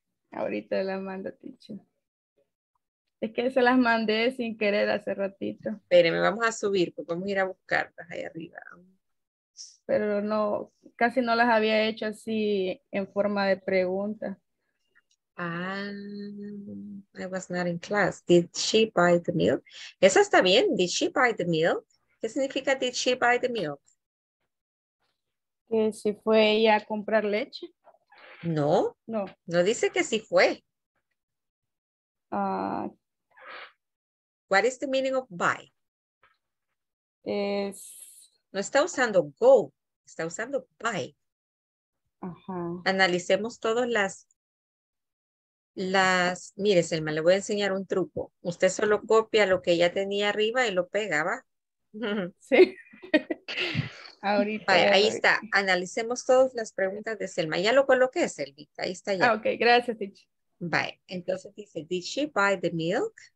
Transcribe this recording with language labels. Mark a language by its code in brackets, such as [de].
[es] Ahorita la mando, teacher. Es que se las mandé sin querer hace ratito. Espéreme, vamos a subir, porque vamos a ir a buscarlas ahí arriba. Pero no, casi no las había hecho así en forma de pregunta. [en] I was not in class. Did she buy the milk? [es] Esa está bien. [en] Did she buy the milk? [es] ¿Qué significa [en] did she buy the milk? [es] ¿Que si fue ella a comprar leche? No. No. No dice que si fue. [en] What is the meaning of buy? [es] Es... No está usando go, está usando buy. Uh-huh. Analicemos todas las, mire Selma, le voy a enseñar un truco. Usted solo copia lo que ya tenía arriba y lo pega, ¿va? Sí. Ahorita. Vaya, ahí está, analicemos todas las preguntas de Selma. Ya lo coloqué, Selvita, ahí está ya. Ah, ok, gracias, Tich. Vaya, entonces dice, [en] did she buy the milk?